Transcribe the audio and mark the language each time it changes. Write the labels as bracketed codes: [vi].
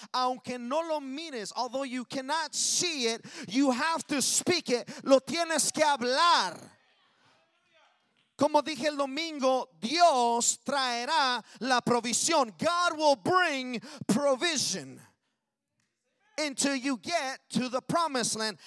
[es] Aunque no lo mires, [en] although you cannot see it, you have to speak it. [es] Lo tienes que hablar. Como dije el domingo, Dios traerá la provisión. [en] God will bring provision until you get to the promised land.